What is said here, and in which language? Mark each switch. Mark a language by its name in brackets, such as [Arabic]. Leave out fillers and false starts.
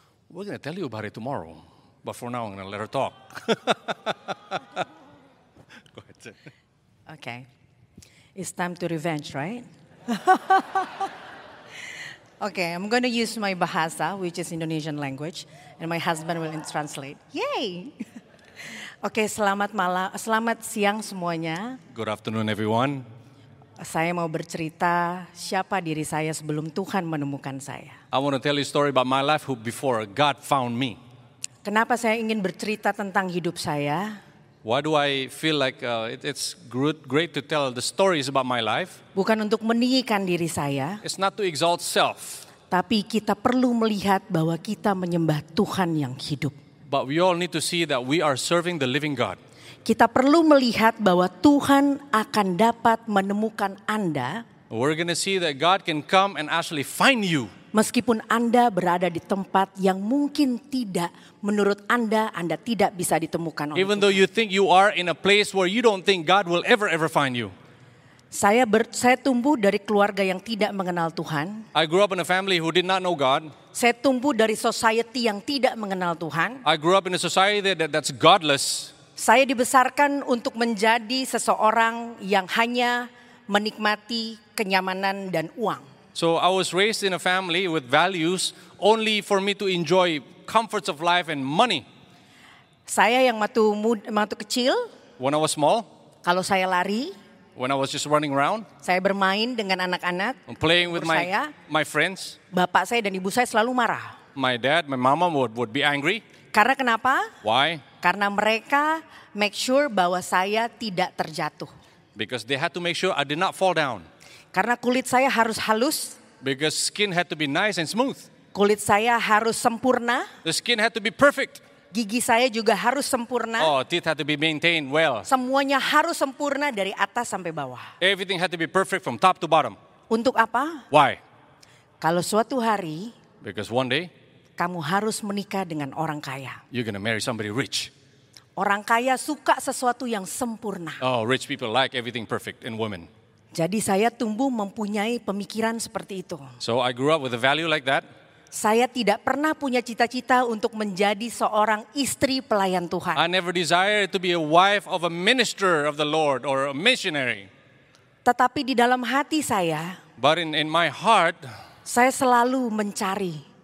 [English] We're going to tell you about it tomorrow, but for now, I'm going to let her talk. Go ahead, sir. Okay. It's time to revenge, right? Okay, I'm going to use my bahasa, which is Indonesian language, and my husband will translate. Yay! [Indonesian] Okay, selamat siang semuanya. [English] Good afternoon, everyone. [Indonesian] Saya mau bercerita siapa diri saya sebelum Tuhan menemukan saya. [English] I want to tell you a story about my life who before God found me. [Indonesian] Kenapa saya ingin bercerita tentang hidup saya? [English] Why do I feel like it's great to tell the stories about my life? [Indonesian] Bukan untuk meninggikan diri saya. [English] It's not to exalt self. [Indonesian] Tapi kita perlu melihat bahwa kita menyembah Tuhan yang hidup. [English] But we all need to see that we are serving the living God. [Indonesian] Kita perlu melihat bahwa Tuhan akan dapat menemukan Anda. [English] We're going to see that God can come and actually find you. [Indonesian] Meskipun Anda berada di tempat yang mungkin tidak menurut Anda, Anda tidak bisa ditemukan. [English] Even though you think you are in a place where you don't think God will ever find you. [Indonesian] Saya tumbuh dari keluarga yang tidak mengenal Tuhan. [English] I grew up in a family who did not know God. [Indonesian] Saya tumbuh dari society yang tidak mengenal Tuhan. [English] I grew up in a society that's godless. [Indonesian] Saya dibesarkan untuk menjadi seseorang yang hanya menikmati kenyamanan dan uang. [English] So I was raised in a family with values only for me to enjoy comforts of life and money. [Indonesian] Saya yang matu kecil. [English] When I was small. [Indonesian] Kalau saya lari. [English] When I was just running around. [Indonesian] Saya bermain dengan anak-anak. [English] Playing with my friends. [Indonesian] Bapak saya dan ibu saya selalu marah. [English] My dad, my mama would be angry. [Indonesian] Karena kenapa? [English] Why? [Indonesian] Karena mereka [English] make sure [Indonesian] bahwa saya tidak terjatuh. [English] Because they had to make sure I did not fall down. [Indonesian] Karena kulit saya harus halus. [English] Because skin had to be nice and smooth. [Indonesian] Kulit saya harus sempurna. [English] The skin had to be perfect. [Indonesian] Gigi saya juga harus sempurna. [English] Oh, teeth had to be maintained well. [Indonesian] Semuanya harus sempurna dari atas sampai bawah. [English] Everything had to be perfect from top to bottom. [Indonesian] Untuk apa? [English] Why? [Indonesian] Kalau suatu hari. [English] Because one day. [Indonesian] Kamu harus menikah dengan orang kaya. [English] You're going to marry somebody rich. [Indonesian] Orang kaya suka sesuatu yang sempurna. [English] Oh, rich people like everything perfect in women. [Indonesian] Jadi saya tumbuh mempunyai pemikiran seperti itu. [English] So I grew up with a value like that. [Indonesian] Saya tidak pernah punya cita-cita untuk menjadi seorang istri pelayan Tuhan. [English] I never desired to be a wife of a minister of the Lord or a missionary. [Indonesian] Tetapi di dalam hati saya. [English] But in my heart. [Indonesian] Saya selalu mencari.